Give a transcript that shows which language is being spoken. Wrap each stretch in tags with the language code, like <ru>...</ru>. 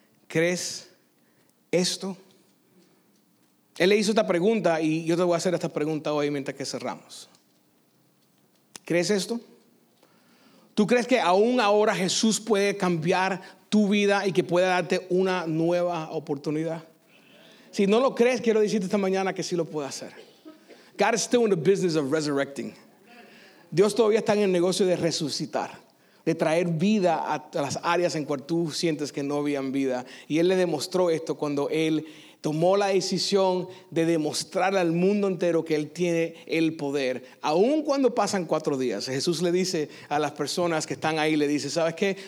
<es>¿Crees esto? Él le hizo esta pregunta y yo te voy a hacer esta pregunta hoy mientras que cerramos. ¿Crees esto? ¿Tú crees que aún ahora Jesús puede cambiar tu vida y que puede darte una nueva oportunidad? Si no lo crees, quiero decirte esta mañana que sí lo puede hacer.</es> <en>God is still in the business of resurrecting.</en> <es>Dios todavía está en el negocio de resucitar, de traer vida a las áreas en cual tú sientes que no habían vida. Y Él le demostró esto cuando Él tomó la decisión de demostrar al mundo entero que Él tiene el poder. Aún cuando pasan 4 días, Jesús le dice a las personas que están ahí, le dice, ¿sabes qué?</es>